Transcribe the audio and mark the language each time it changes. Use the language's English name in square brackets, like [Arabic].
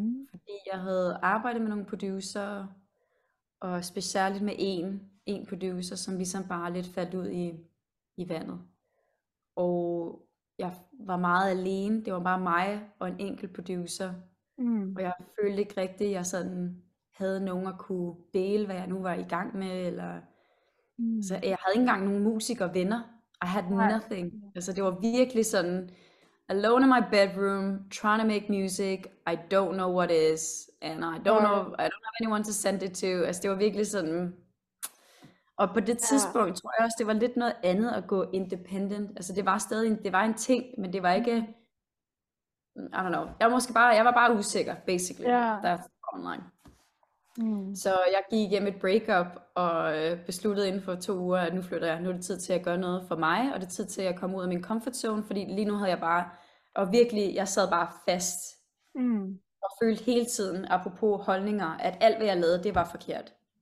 [Danish] Fordi jeg havde arbejdet med nogle producer, og specielt med en producer, som ligesom bare lidt faldt ud i vandet. Og jeg var meget alene, det var bare mig og en enkelt producer. Og jeg følte ikke rigtigt, at jeg sådan havde nogen at kunne dele, hvad jeg nu var i gang med. Eller... Så jeg havde ikke engang nogen musikere venner. [English] I had nothing. [Danish] Altså det var virkelig sådan, [English] alone in my bedroom, trying to make music, I don't know what is, and I don't have anyone to send it to. [Danish] Altså det var virkelig sådan, og på det tidspunkt tror jeg også, det var lidt noget andet at gå independent. Altså det var stadig, det var en ting, men det var ikke, [English] I don't know, [Danish] jeg var bare usikker, basically, [English] that's online. [Danish] Så jeg gik igennem et breakup og besluttede inden for 2 uger, at nu flytter jeg. Nu er det tid til at gøre noget for mig, og det er tid til at komme ud af min comfort zone, fordi lige nu havde jeg bare, og virkelig, jeg sad bare fast og følte hele tiden, apropos holdninger, at alt hvad jeg lavede, det var forkert.